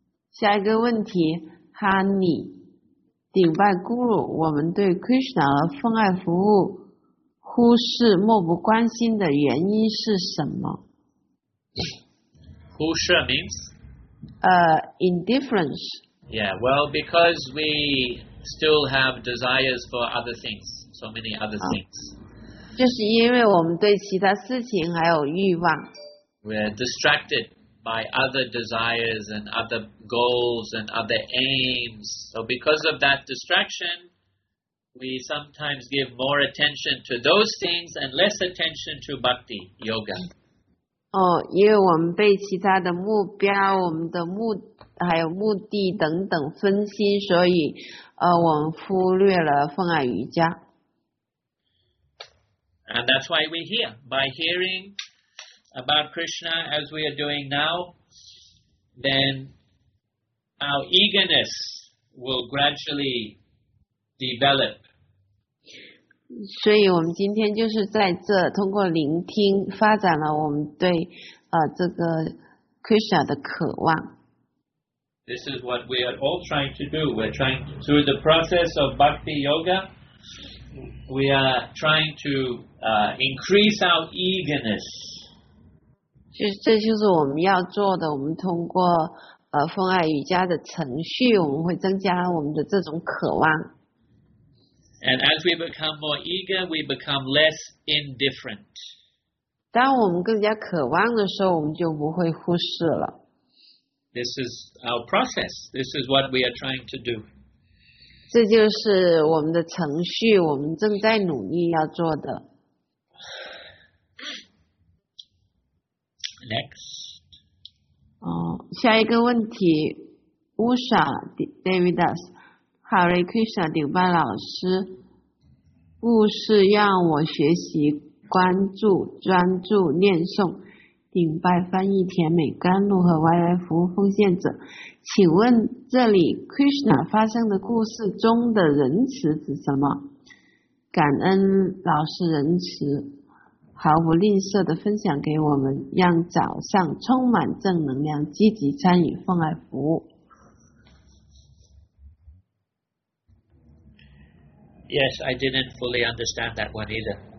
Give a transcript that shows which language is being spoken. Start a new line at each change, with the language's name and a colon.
Chinese: 下一个问题 ，Honey， 顶拜咕噜，我们对 Krishna 的奉爱服务忽视、漠不关心的原因是什么？
English: 忽视 means? Indifference. Yeah, well, because we still have desires for other things, so many other things.
Chinese: 就是因为我们对其他事情还有欲望。
English: We're distracted by other desires and other goals and other aims. So because of that distraction, we sometimes give more attention to those things and less attention to bhakti, yoga.
Chinese: Oh, 因为我们被其他的目标、我们的目还有目的等等分心，所以我们忽略了奉爱瑜伽。
English: And that's why we're here, by hearing about Krishna, as we are doing now, then our eagerness will gradually develop.
Chinese: 所以我们今天就是在这通过聆听发展了我们对这个 Krishna 的渴望。
English: This is what we are all trying to do. We're trying to, through the process of bhakti yoga, we are trying to increase our eagerness.
Chinese: 就是这就是我们要做的，我们通过奉爱瑜伽的程序，我们会增加我们的这种渴望。
English: And as we become more eager, we become less indifferent.
Chinese: 当我们更加渴望的时候，我们就不会忽视了。
English: This is our process. This is what we are trying to do.
Chinese: 这就是我们的程序，我们正在努力要做的。
English: Next.
Chinese: 下一个问题 ，Usha Davidas， Hare Krishna 顶拜老师，故事让我学习关注、专注念诵，顶拜翻译甜美甘露和 YY 服务奉献者，请问这里 Krishna 发生的故事中的仁慈指什么？感恩老师仁慈。毫不吝啬地分享给我们，让早上充满正能量，积极参与奉爱服务。
English: Yes, I didn't fully understand that one either.